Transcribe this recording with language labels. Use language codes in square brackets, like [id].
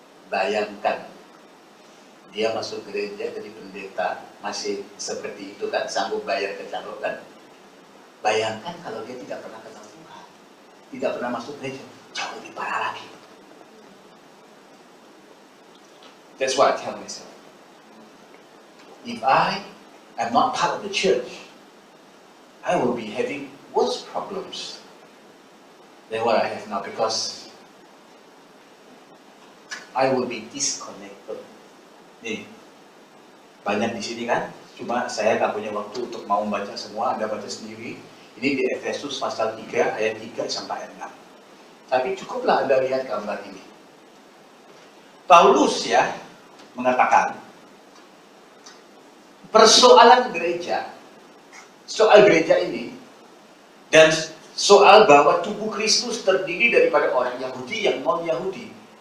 [id] Bayangkan dia masuk gereja jadi pendeta masih seperti itu kan, sanggup bayar ke calon kan. Bayangkan kalau dia tidak pernah ketemu Tuhan, tidak pernah masuk gereja, jauh lebih parah lagi. [en] That's why I tell myself, if I am not part of the church, I will be having worse problems than what I have now, because I will be disconnected. [id] Nih, banyak di sini kan? Cuma saya nggak punya waktu untuk mau baca semua, Anda baca sendiri. Ini di Efesus pasal 3 ayat 3 sampai ayat 6. Tapi cukuplah Anda lihat gambar ini. Paulus ya mengatakan persoalan gereja, soal gereja ini dan soal bahwa tubuh Kristus terdiri daripada orang Yahudi yang non-Yahudi.